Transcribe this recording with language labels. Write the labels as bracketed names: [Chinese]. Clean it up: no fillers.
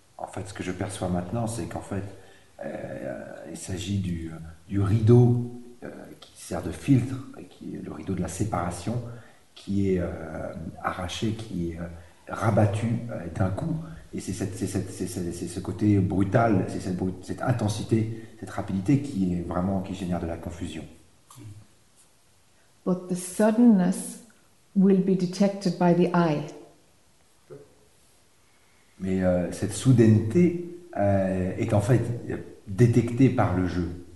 [French] En fait, ce que je perçois maintenant, c'est qu'en fait, il s'agit du rideau qui sert de filtre, qui est le rideau de la séparation, qui est arraché, qui est rabattu d'un coup. Et c'est ce côté brutal, cette intensité, cette rapidité qui est vraiment qui génère de la confusion. [English] But the suddenness will be detected by the eye. [French] Mais cette soudaineté est en fait détecté par le jeu.